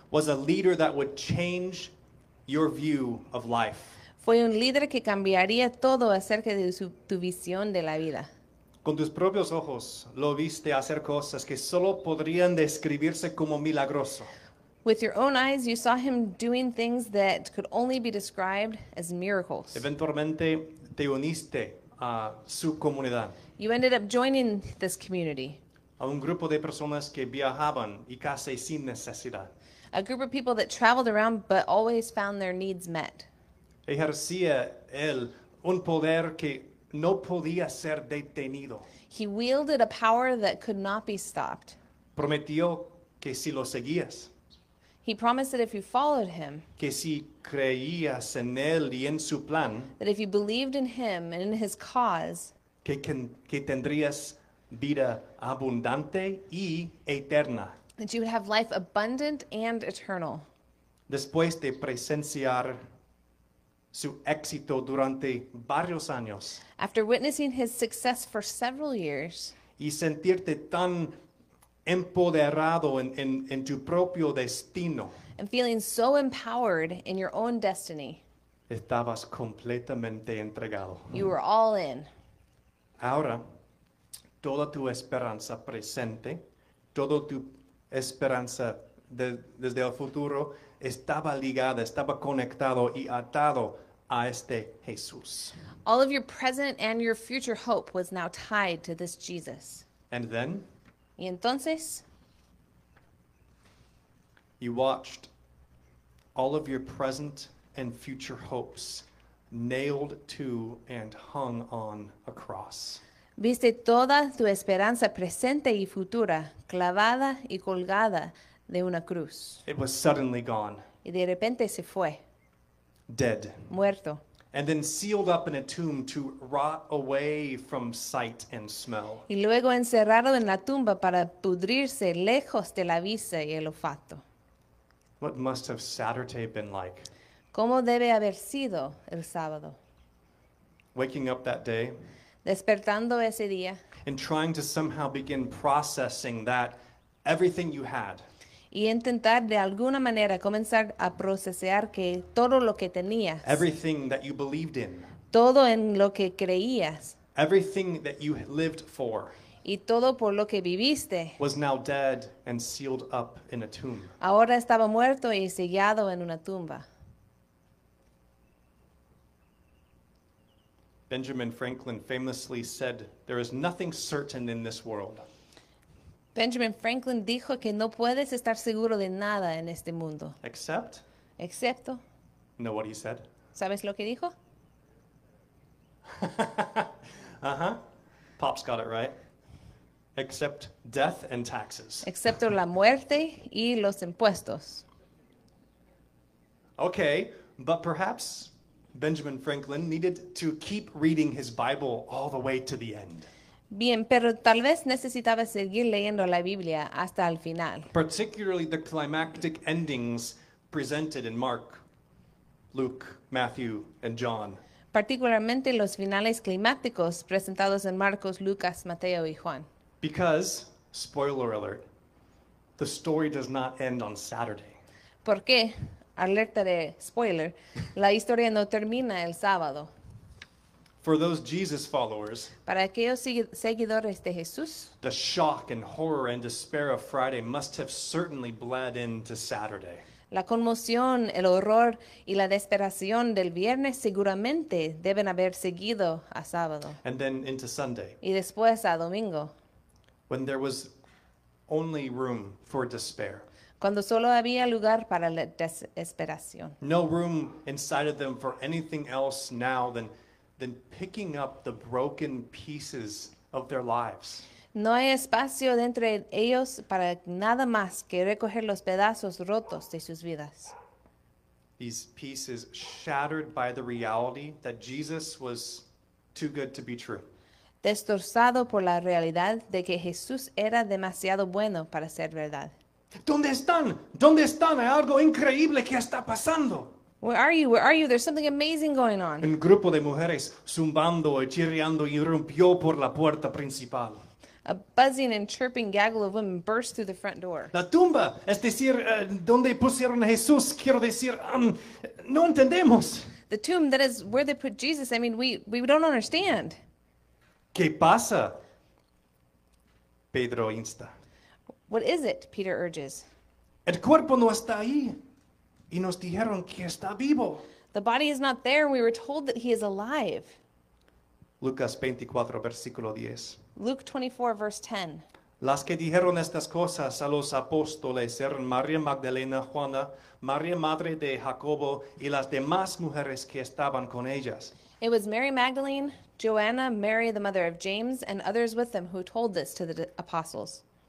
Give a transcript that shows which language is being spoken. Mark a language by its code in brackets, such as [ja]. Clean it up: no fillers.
[en] was a leader that would change your view of life. [es] Fue un líder que cambiaría todo acerca de tu visión de la vida. Con tus propios ojos lo viste hacer cosas que solo podrían describirse como milagroso. [en] With your own eyes, you saw him doing things that could only be described as miracles. [es] Eventualmente te uniste a su comunidad. [en] You ended up joining this community. [es] A un grupo de personas que viajaban y casi sin necesidad. [en] A group of people that traveled around but always found their needs met. [es] Ejercía él un poder que no podía ser detenido. [en] He wielded a power that could not be stopped. [es] Prometió que si lo seguías. [en] He promised that if you followed him, [es] que si creías en él y en su plan, [en] that if you believed in him and in his cause, [es] que tendrías vida abundante y eterna. [en] That you would have life abundant and eternal. [es] Después de presenciar su éxito durante varios años, [en] after witnessing his success for several years, [es] y sentirte tan empoderado en tu propio destino, [en] and feeling so empowered in your own destiny, [es] estabas completamente entregado. [en] You were all in. [es] Ahora, toda tu esperanza presente, toda tu esperanza desde el futuro, estaba ligada, estaba conectado y atado a este Jesús. [en] All of your present and your future hope was now tied to this Jesus. And then? [es] Y entonces, [en] you watched all of your present and future hopes nailed to and hung on a cross. [es] Viste toda tu esperanza presente y futura clavada y colgada de una cruz. [en] It was suddenly gone. [es] Y de repente se fue. [en] Dead. [es] Muerto. [en] And then sealed up in a tomb to rot away from sight and smell. [es] Y luego encerrado en la tumba para pudrirse lejos de la vista y el olfato. [en] What must have Saturday been like? [es] ¿Cómo debe haber sido el sábado? [en] Waking up that day. [es] Despertando ese día. [en] And trying to somehow begin processing that everything you had. [es] Y intentar de alguna manera comenzar a procesar que todo lo que tenías. [en] Everything that you believed in. [es] Todo en lo que creías. [en] Everything that you lived for. [es] Y todo por lo que viviste. [en] Was now dead and sealed up in a tomb. [es] Ahora estaba muerto y sellado en una tumba. [en] Benjamin Franklin famously said, "There is nothing certain in this world." [es] Benjamin Franklin dijo que no puedes estar seguro de nada en este mundo. [en] Except? [es] Excepto. [en] Know what he said? [es] ¿Sabes lo que dijo? [en] Uh-huh. Pop's got it right. Except death and taxes. [es] Excepto la muerte y los impuestos. [en] Okay, but perhaps Benjamin Franklin needed to keep reading his Bible all the way to the end. [es] Bien, pero tal vez necesitaba seguir leyendo la Biblia hasta el final. [en] Particularly the climactic endings presented in Mark, Luke, Matthew, and John. [es] Particularmente los finales climáticos presentados en Marcos, Lucas, Mateo, y Juan. [en] Because, spoiler alert, the story does not end on Saturday. [es] ¿Por qué? Alerta de spoiler. La historia no termina el sábado. [en] For those Jesus followers, [es] para aquellos seguidores de Jesús, [en] the shock and horror and despair of Friday must have certainly bled into Saturday. [es] La conmoción, el horror y la desesperación del viernes seguramente deben haber seguido a sábado. [en] And then into Sunday. [es] Y después a domingo. [en] When there was only room for despair. [es] Cuando solo había lugar para la desesperación. [en] No room inside of them for anything else now than picking up the broken pieces of their lives. [es] No hay espacio dentro de ellos para nada más que recoger los pedazos rotos de sus vidas. [en] These pieces shattered by the reality that Jesus was too good to be true. [es] Destrozado por la realidad de que Jesús era demasiado bueno para ser verdad. ¿Dónde están? ¿Dónde están? Hay algo increíble que está pasando. [en] Where are you? Where are you? There's something amazing going on. [es] Un grupo de mujeres zumbando y chirriando irrumpió por la puerta principal. [en] A buzzing and chirping gaggle of women burst through the front door. [es] La tumba, es decir, donde pusieron a Jesús, quiero decir, no entendemos. [en] The tomb, that is where they put Jesus, I mean, we don't understand. [es] ¿Qué pasa? Pedro insta. [en] What is it? Peter urges. [es] El cuerpo no está ahí. Y nos dijeron que está vivo. [en] The body is not there. We were told that he is alive. [es] Lucas 24, versículo 10. [en] Luke 24, verse 10. [es] Las que dijeron estas cosas a los apóstoles eran María Magdalena, Juana, María Madre de Jacobo y las demás mujeres que estaban con ellas. [en] It was Mary Magdalene, Joanna, Mary, the mother of James, and others with them who told this to the apostles.